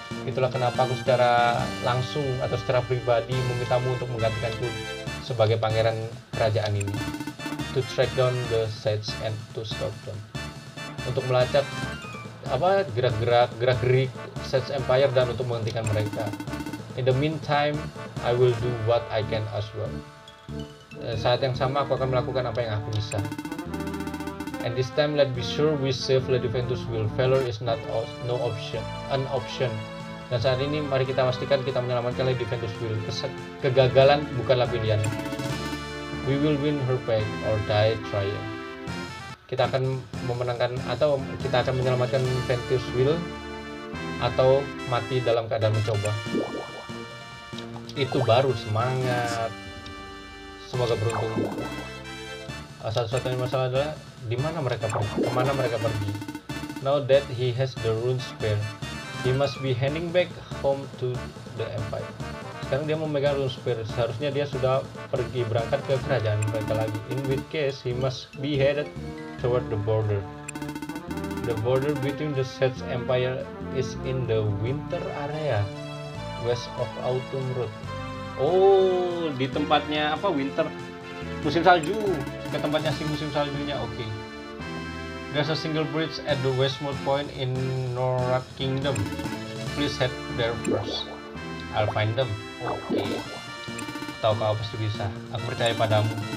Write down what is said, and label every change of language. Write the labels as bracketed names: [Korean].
[Indonesian] Itulah kenapa aku secara langsung atau secara pribadi memintamu untuk menggantikanku sebagai pangeran kerajaan ini. [English] To track down the sites and to stop them. [Indonesian] Untuk melacak apa gerak-gerik Sage Empire dan untuk menghentikan mereka. [English] In the meantime, I will do what I can as well. [Indonesian] Saat yang sama aku akan melakukan apa yang aku bisa. [English] And this time let's be sure we save Lady Ventus will. Failure is not no option, an option. [Indonesian] Dan saat ini mari kita pastikan kita menyelamatkan Lady Ventus will. Kegagalan bukanlah pilihan. [English] We will win her back or die trying. [Indonesian] Kita akan memenangkan atau kita akan menyelamatkan Ventus will atau mati dalam keadaan mencoba. Itu baru semangat. Semoga beruntung. Satu-satunya masalah adalah di mana mereka pergi? Kemana mereka pergi? [English] Now that he has the rune spear, he must be heading back home to the empire. [Indonesian] Sekarang dia memegang rune spear, seharusnya dia sudah pergi berangkat ke kerajaan mereka lagi. [English] In which case, he must be headed toward the border. The border between the Sage Empire is in the winter area, west of Autumn Road. [Indonesian] Oh, di tempatnya apa? Winter, musim salju. Ke tempatnya si musim saljunya, oke. [English] Okay. There's a single bridge at the Westmore Point in Norak Kingdom. Please head there first. I'll find them. Oke. Okay. [Indonesian] Tahu kau pasti bisa. Aku percaya padamu.